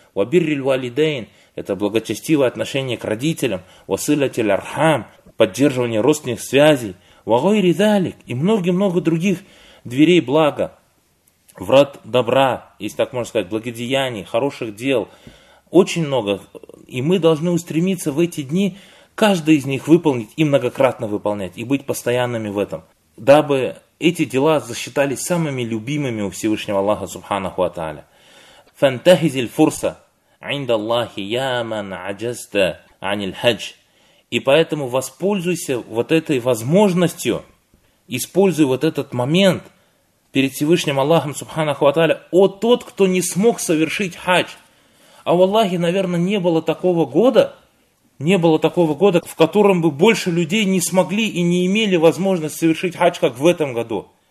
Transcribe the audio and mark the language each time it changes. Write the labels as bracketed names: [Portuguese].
[Arabic] Вабирриль валидейн, [Russian] это благочестивое отношение к родителям, [Arabic] «васылатиль архам», [Russian] поддерживание родственных связей, [Arabic] «вагойри далик», [Russian] и много-много других дверей блага, врат добра, если так можно сказать, благодеяний, хороших дел, очень много, и мы должны устремиться в эти дни каждый из них выполнить и многократно выполнять, и быть постоянными в этом, дабы эти дела засчитались самыми любимыми у Всевышнего Аллаха, субханаху ва тааля. [Arabic] «Фантахизиль фурса», عِنْدَ اللَّهِ يَا مَنْ عَجَزْتَ عَنِ الْحَجِ. [Russian] И поэтому воспользуйся вот этой возможностью, используй вот этот момент перед Всевышним Аллахом, субханаху ва тааля, о тот, кто не смог совершить хадж. А в Аллахе, наверное, не было такого года, в котором бы больше людей не смогли и не имели возможность совершить хадж, как в этом году.